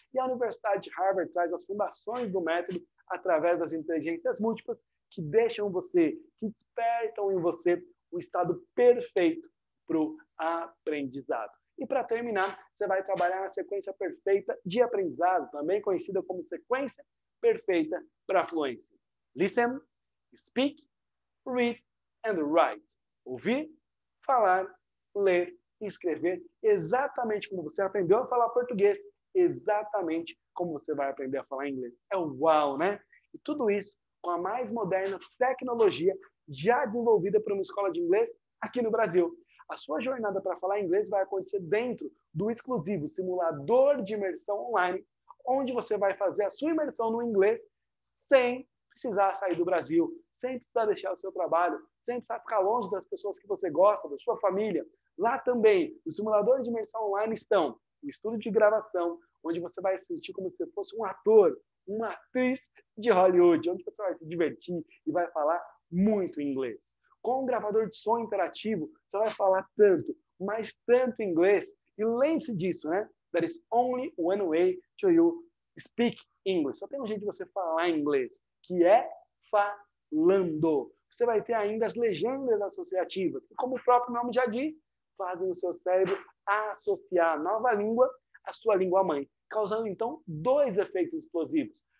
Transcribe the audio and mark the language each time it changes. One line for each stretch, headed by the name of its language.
Portuguese: E a Universidade de Harvard traz as fundações do método através das inteligências múltiplas que deixam você, que despertam em você o estado perfeito pro aprendizado. E para terminar, você vai trabalhar na sequência perfeita de aprendizado, também conhecida como sequência perfeita para fluência.
English: Listen, speak, read and write.
Portuguese: Ouvir, falar, ler e escrever exatamente como você aprendeu a falar português, exatamente como você vai aprender a falar inglês. É uau, né? E tudo isso com a mais moderna tecnologia já desenvolvida por uma escola de inglês aqui no Brasil. A sua jornada para falar inglês vai acontecer dentro do exclusivo simulador de imersão online, onde você vai fazer a sua imersão no inglês sem precisar sair do Brasil, sem precisar deixar o seu trabalho, Sem precisar ficar longe das pessoas que você gosta, da sua família. Lá também, os simuladores de imersão online estão o estúdio de gravação, onde você vai sentir como se fosse um ator, uma atriz de Hollywood, onde você vai se divertir e vai falar muito inglês. Com o gravador de som interativo, você vai falar tanto, mas tanto inglês. E lembre-se disso, né?
English: There is only one way to you speak English.
Portuguese: Só tem um jeito de você falar inglês, que é falando. Você vai ter ainda as legendas associativas, que, como o próprio nome já diz, fazem o seu cérebro associar a nova língua à sua língua mãe, causando, então, dois efeitos explosivos.